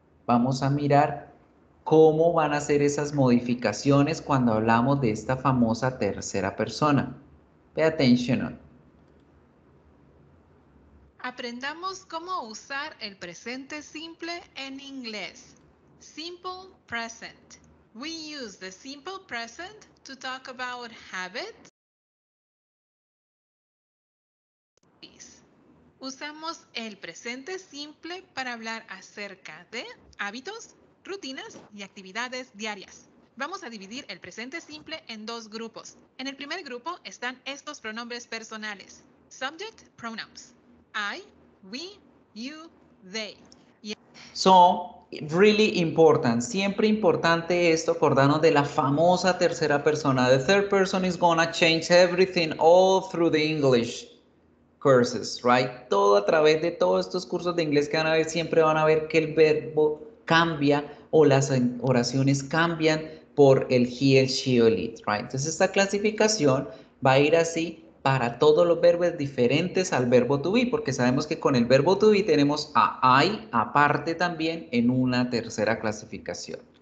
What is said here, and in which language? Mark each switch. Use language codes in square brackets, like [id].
[es] Vamos a mirar cómo van a ser esas modificaciones cuando hablamos de esta famosa tercera persona. [en] Pay attention. [es] Aprendamos cómo usar el presente simple en inglés. [en] Simple present. We use the simple present to talk about habits. [es] Usamos el presente simple para hablar acerca de hábitos, rutinas y actividades diarias. Vamos a dividir el presente simple en dos grupos. En el primer grupo están estos pronombres personales. [en] Subject pronouns. I, we, you, they. So, really important. [es] Siempre importante esto, acordarnos de la famosa tercera persona. [en] The third person is gonna change everything all through the English courses, right? [es] Todo a través de todos estos cursos de inglés que van a ver, siempre van a ver que el verbo cambia o las oraciones cambian por el he, el she o el it, [en] right? [es] Entonces esta clasificación va a ir así para todos los verbos diferentes al verbo to be, porque sabemos que con el verbo to be tenemos a I aparte también en una tercera clasificación.